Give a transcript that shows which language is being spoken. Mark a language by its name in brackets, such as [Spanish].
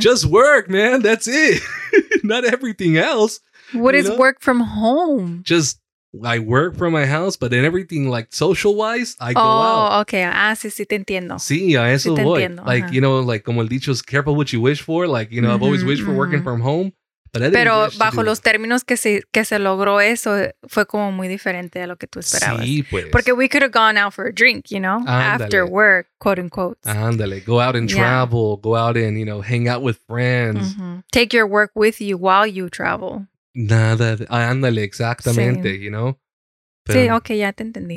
[English] Just work, man. That's it. Not everything else. What is work from home? Just I work from my house, but then everything like social wise, I go out. Oh, okay. [Spanish] Ah, sí, sí, te entiendo. Sí, a eso voy. Entiendo. [English] Like, you know, like [Spanish] como el dicho es [English] careful what you wish for. Like, you know, I've always wished for working from home. [Spanish] Pero bajo los términos que se logró eso, fue como muy diferente a lo que tú esperabas. Sí, pues. Porque [English] we could have gone out for a drink, you know, after work, quote unquote. Ándale, go out and travel, go out and, you know, hang out with friends. Take your work with you while you travel. [Spanish] Nada, ándale, exactamente, sí. [English] You know. [Spanish] Pero sí, okay, ya te entendí.